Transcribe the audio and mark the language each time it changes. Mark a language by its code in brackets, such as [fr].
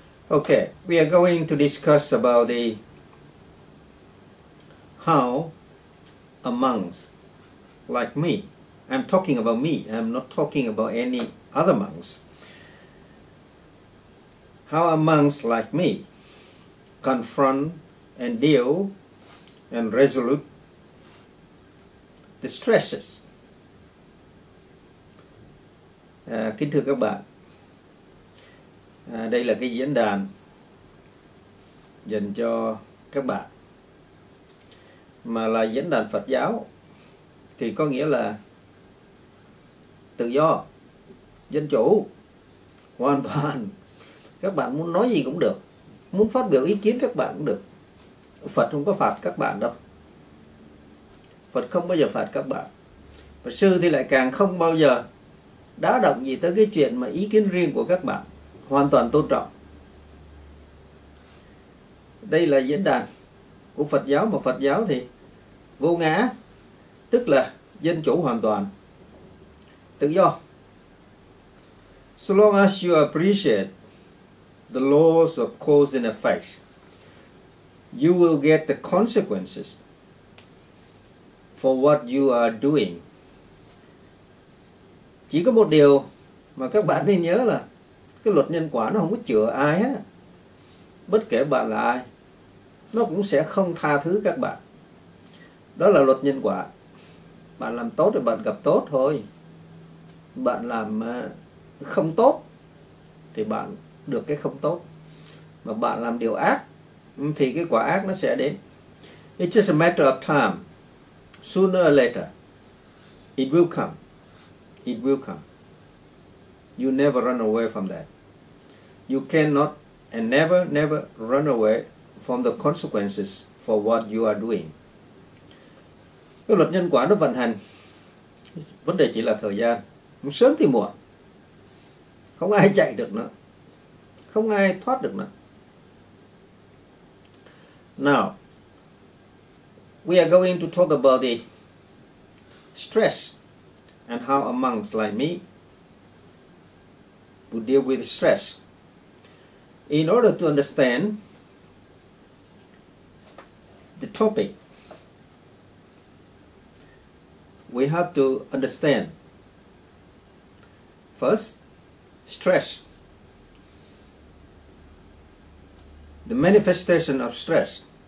[en] Okay, we are going to discuss about the how a monk like me, I'm talking about me, I'm not talking about any other monks, how a monk like me confront and deal and resolve the stresses. [vi] Kính thưa các bạn, đây là cái diễn đàn dành cho các bạn, mà là diễn đàn Phật giáo thì có nghĩa là tự do, dân chủ, hoàn toàn. Các bạn muốn nói gì cũng được, muốn phát biểu ý kiến các bạn cũng được. Phật không có phạt các bạn đâu. Phật không bao giờ phạt các bạn. Và sư thì lại càng không bao giờ đá động gì tới cái chuyện mà ý kiến riêng của các bạn, hoàn toàn tôn trọng. Đây là diễn đàn của Phật giáo, mà Phật giáo thì vô ngã, tức là dân chủ hoàn toàn, tự do. [en] So long as you appreciate the laws of cause and effects, you will get the consequences for what you are doing. [vi] Chỉ có một điều mà các bạn nên nhớ là cái luật nhân quả nó không có chừa ai hết. Bất kể bạn là ai, nó cũng sẽ không tha thứ các bạn. Đó là luật nhân quả. Bạn làm tốt thì bạn gặp tốt thôi. Bạn làm không tốt thì bạn được cái không tốt. Mà bạn làm điều ác thì cái quả ác nó sẽ đến. [en] It's just a matter of time. Sooner or later, it will come. It will come. You never run away from that. You cannot and never run away from the consequences for what you are doing. [vi] Cái luật nhân quả nó vận hành, vấn đề chỉ là thời gian, sớm thì muộn, không ai chạy được nữa, không ai thoát được nữa. [en] Now, we are going to talk about the stress and how a monk like me would deal with stress. In order to understand the topic, we have to understand first stress, the manifestation of stress.